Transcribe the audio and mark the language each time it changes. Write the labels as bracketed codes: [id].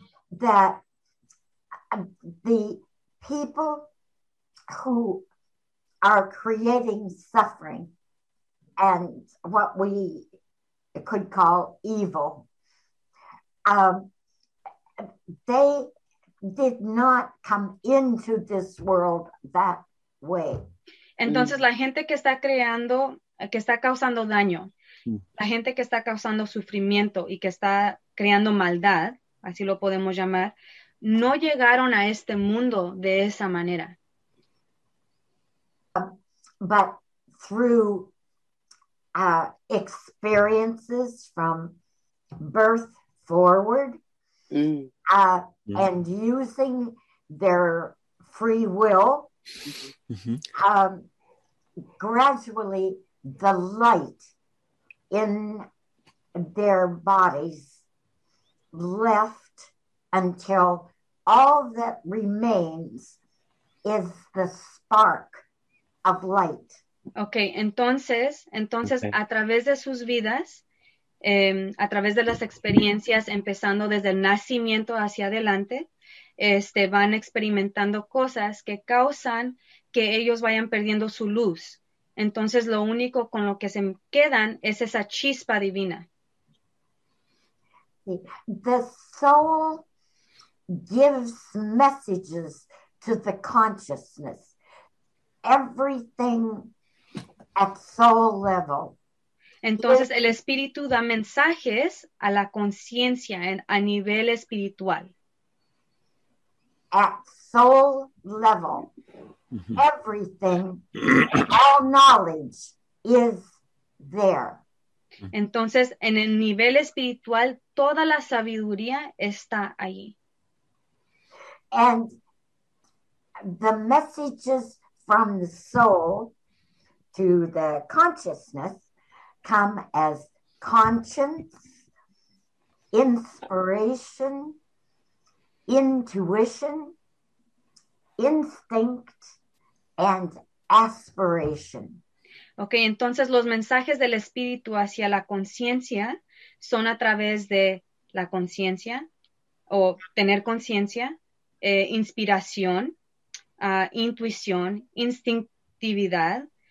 [en] That the people who are creating suffering and what we could call evil, they did not come into this world that way. [es] Entonces, la gente que está creando, que está causando daño, la gente que está causando sufrimiento y que está creando maldad, así lo podemos llamar, no llegaron a este mundo de esa manera. [en] But through experiences from birth forward, and using their free will, gradually the light in their bodies left until all that remains is the spark of light. [es] Okay, entonces okay. A través de sus vidas, a través de las experiencias, empezando desde el nacimiento hacia adelante, van experimentando cosas que causan que ellos vayan perdiendo su luz. Entonces, lo único con lo que se quedan es esa chispa divina. [en] The soul gives messages to the consciousness. Everything at soul level. [es] Entonces, el espíritu da mensajes a la conciencia a nivel espiritual. [en] At soul level, everything, all knowledge is there. [es] Entonces, en el nivel espiritual, toda la sabiduría está allí. [en] And the messages from the soul to the consciousness come as conscience, inspiration, intuition, instinct, and aspiration. [es] Okay, entonces los mensajes del espíritu hacia la conciencia son a través de la conciencia, o tener conciencia, inspiración, intuición, instintividad.